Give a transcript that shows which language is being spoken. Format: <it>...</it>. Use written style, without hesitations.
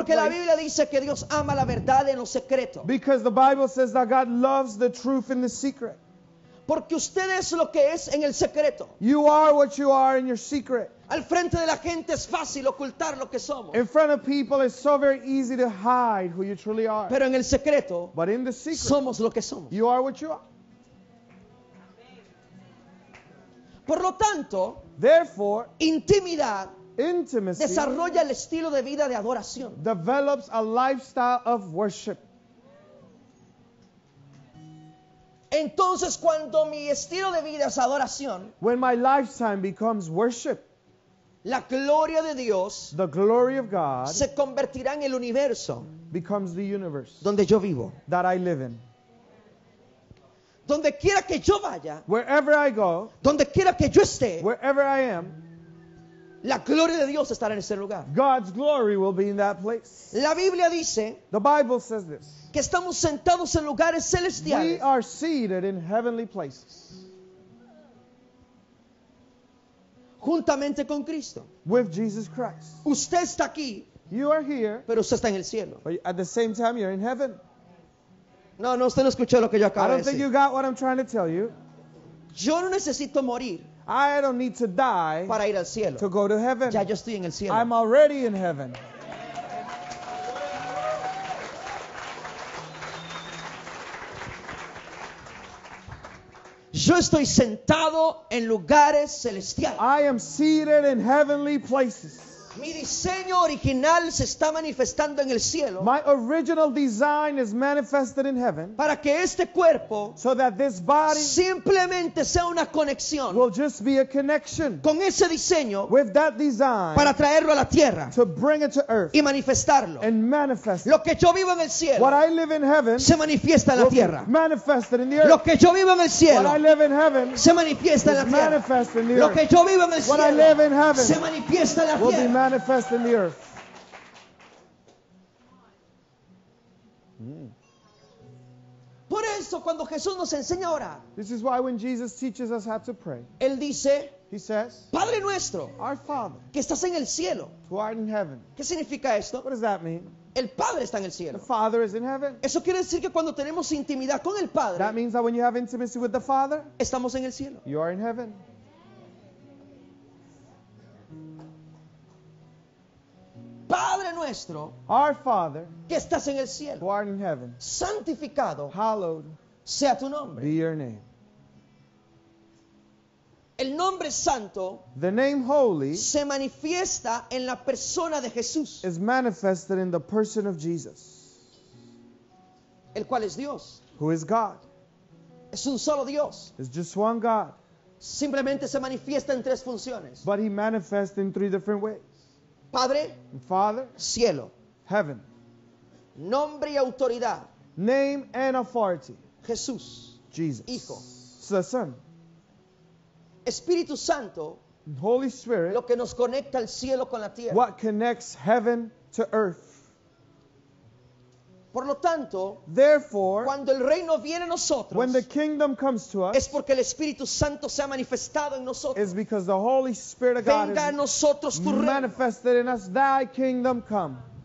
<es>Porque la Biblia dice que Dios ama la verdad en lo secreto.</es> <en>Because the Bible says that God loves the truth in the secret.</en> <es>Porque usted es lo que es en el secreto.</es> <en>You are what you are in your secret.</en> <es>Al frente de la gente es fácil ocultar lo que somos.</es> <en>In front of people it's so very easy to hide who you truly are.</en> <es>Pero en el secreto,</es> <en>but in the secret,</en> <es>somos lo que somos.</es> <en>You are what you are.</en> <es>Por lo tanto,</es> <en>therefore,</en> <es>intimidad,</es> <en>intimacy,</en> <es>desarrolla el estilo de vida de adoración.</es> <en>Develops a lifestyle of worship.</en> <es>Entonces cuando mi estilo de vida es adoración,</es> <en>when my lifestyle becomes worship,</en> <es>la gloria de Dios,</es> <en>the glory of God,</en> <es>se convertirá en el universo,</es> <en>becomes the universe,</en> <es>donde yo vivo,</es> <en>that I live in.</en> <es>Donde quiera que yo vaya,</es> <en>wherever I go,</en> <es>donde quiera que yo esté,</es> <en>wherever I am,</en> <es>la gloria de Dios estará en ese lugar.</es> <en>God's glory will be in that place.</en> <es>La Biblia dice,</es> <en>the Bible says this,</en> <es>que estamos sentados en lugares celestiales.</es> <en>We are seated in heavenly places.</en> <es>Juntamente con Cristo.</es> <en>With Jesus Christ.</en> <es>Usted está aquí.</es> <en>You are here.</en> <es>Pero usted está en el cielo.</es> <en>But at the same time you're in heaven.</en> <es>No, no, usted no escuchó lo que yo acabo de decir.</es> <en>I don't think you got what I'm trying to tell you.</en> <es>Yo no necesito morir.</es> <en>I don't need to die</en> <es>para ir al cielo.</es> <en>To go to heaven.</en> <es>Ya yo estoy en el cielo.</es> <en>I'm already in heaven.</en> <es>Yo estoy sentado en lugares celestiales.</es> <en>I am seated in heavenly places.</en> <es>Mi diseño original se está manifestando en el cielo.</es> <en>My original design is manifested in heaven.</en> <es>Para que este cuerpo,</es> <en>so that this body,</en> <es>simplemente sea una conexión,</es> <en>will just be a connection,</en> <es>con ese diseño,</es> <en>with that design,</en> <es>para traerlo a la tierra,</es> <en>to bring it to earth,</en> <es>y manifestarlo,</es> <en>and manifest.</en> <es>Lo que yo vivo en el cielo,</es> <en>what I live in heaven,</en> <es>se manifiesta en la tierra,</es> <en>manifested in the earth.</en> <es>Lo que yo vivo en el cielo,</es> <en>what I live in heaven,</en> <es>se manifiesta en la tierra,</es> <en>manifested in the</en> <es>lo</es> <en>earth.</en> <es>Lo que yo vivo en el</es> <en>what</en> <es>cielo,</es> <en>what I live in heaven,</en> <es>se manifiesta en la tierra.</es> <en>Manifest in the earth.</en> <es>Por eso cuando Jesús nos enseña a orar,</es> <en>this is why when Jesus teaches us how to pray,</en> <es>él dice,</es> <en>he says,</en> <es>Padre nuestro,</es> <en>our Father,</en> <es>que estás en el cielo,</es> <en>who art in heaven.</en> <es>¿Qué significa esto?</es> <en>What does that mean?</en> <es>El Padre está en el cielo.</es> <en>The Father is in heaven.</en> <es>Eso quiere decir que cuando tenemos intimidad con el Padre,</es> <en>that means that when you have intimacy with the Father,</en> <es>estamos en el cielo.</es> <en>You are in heaven.</en> <es>Padre nuestro,</es> <en>our Father,</en> <es>que estás en el cielo,</es> <en>who art in heaven,</en> <es>santificado,</es> <en>hallowed,</en> <es>sea tu nombre,</es> <en>be your name.</en> <es>El nombre santo,</es> <en>the name holy,</en> <es>se manifiesta en la persona de Jesús,</es> <en>is manifested in the person of Jesus,</en> <es>el cual es Dios,</es> <en>who is God,</en> <es>es un solo Dios,</es> <en>is just one God,</en> <es>simplemente se manifiesta en tres funciones,</es> <en>but he manifests in three different ways.</en> <es>Padre,</es> <en>Father,</en> <es>cielo,</es> <en>heaven,</en> <es>nombre y autoridad,</es> <en>name and authority,</en> <es>Jesús,</es> <en>Jesus,</en> <es>hijo,</es> <en>the Son,</en> <es>Espíritu Santo,</es> <en>Holy Spirit,</en> <es>lo que nos conecta al cielo con la tierra,</es> <en>what connects heaven to earth.</en> <es>Por lo tanto,</es> <en>therefore,</en> <es>cuando el reino viene a nosotros,</es> <en>when the kingdom comes to us,</en> <es>es porque el Espíritu Santo se ha manifestado en nosotros.</es> <en>Is because the Holy Spirit of</en> <es>venga</es> <en>God</en> <es>a nosotros tu reino.</es> <en>Manifested in us, thy kingdom come.</en>